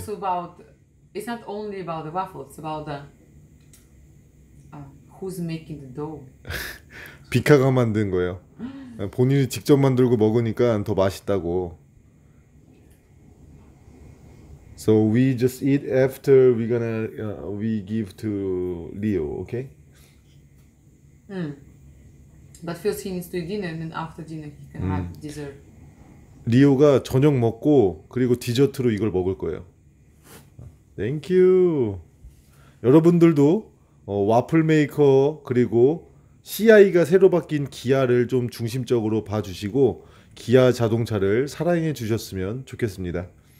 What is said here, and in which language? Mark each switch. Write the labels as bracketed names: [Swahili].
[English] It's also about, it's not only about the waffle, it's about the, who's making the dough. [Korean] 비카가 만든 거예요. 본인이 직접 만들고 먹으니까 더 맛있다고. [English] So we just eat after we gonna we give to Leo, okay? But first he needs to eat dinner, and then after dinner he can have dessert. [Korean] Leo가 저녁 먹고 그리고 디저트로 이걸 먹을 거예요. [English] Thank you. [Korean] 여러분들도 와플 메이커 그리고 CI가 새로 바뀐 기아를 좀 중심적으로 봐주시고 기아 자동차를 사랑해 주셨으면 좋겠습니다.